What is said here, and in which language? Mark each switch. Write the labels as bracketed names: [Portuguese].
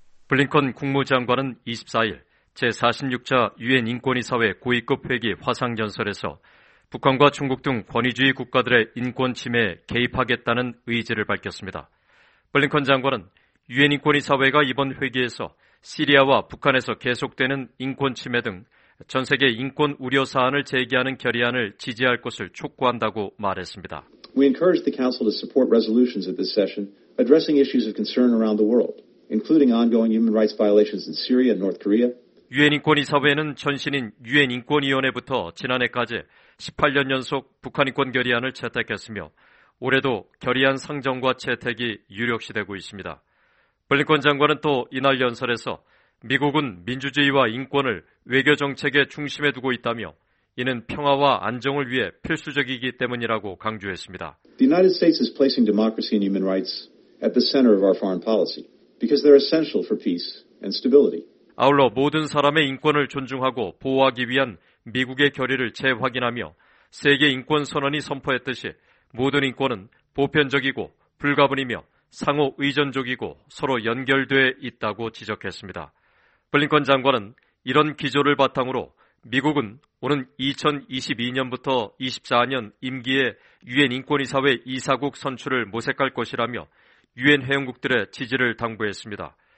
[Korean] 블링컨 국무장관은 24일 제46차 유엔 인권이사회 고위급 회기 화상연설에서 북한과 중국 등 권위주의 국가들의 인권 침해에 개입하겠다는 의지를 밝혔습니다. 블링컨 장관은 유엔 인권이사회가 이번 회기에서 시리아와 북한에서 계속되는 인권 침해 등 전 세계 인권 우려 사안을 제기하는 결의안을 지지할 것을 촉구한다고 말했습니다. [English] We encourage the Council to support resolutions at this session addressing issues of concern around the world, including ongoing human rights violations in Syria and North Korea. [Korean] 유엔 인권이사회는 전신인 유엔 인권위원회부터 지난해까지 18년 연속 북한 인권 결의안을 채택했으며 올해도 결의안 상정과 채택이 유력시되고 있습니다. 블링컨 장관은 또 이날 연설에서 미국은 민주주의와 인권을 외교정책의 중심에 두고 있다며 이는 평화와 안정을 위해 필수적이기 때문이라고 강조했습니다. [English] The United States is placing democracy and human rights at the center of our foreign policy because they're essential for peace and stability. [Korean] 아울러 모든 사람의 인권을 존중하고 보호하기 위한 미국의 결의를 재확인하며 세계 인권 선언이 선포했듯이 모든 인권은 보편적이고 불가분이며 상호 의존적이고 서로 연결돼 있다고 지적했습니다. 블링컨 장관은 이런 기조를 바탕으로 미국은 오는 2022년부터 24년 임기에 유엔 인권이사회 이사국 선출을 모색할 것이라며 유엔 회원국들의 지지를 당부했습니다.